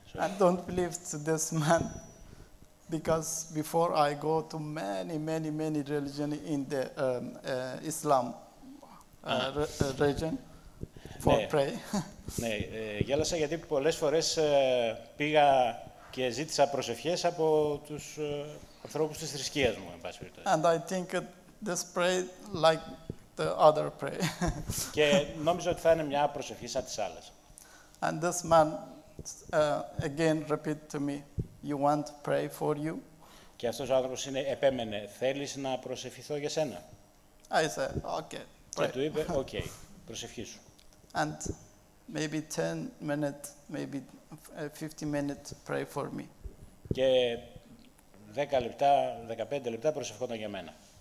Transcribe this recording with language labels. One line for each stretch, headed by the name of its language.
English: I don't believe to this man because before I go to many religion in the Islam region for pray.
Greek: Ναι, γέλασα γιατί πολλές φορές πήγα και ζήτησα προσευχές από τους ανθρώπους της θρησκείας μου, εν πάση περιπτώσει.
English: And I think this pray like the other pray.
Greek: Και νόμιζα ότι θα είναι μια προσευχή σαν τις άλλες.
English: And this man again repeat to me, you want pray for you.
Greek: Και αυτός ο άνθρωπος επέμενε, θέλεις να προσευχηθώ για σένα.
English: I said, okay, pray.
Greek: Και του είπε, okay, προσευχή σου.
English: And maybe 10 minutes, maybe 50 minutes pray for me.
Greek: Και 10 λεπτά, 15 λεπτά προσευχόταν για μένα.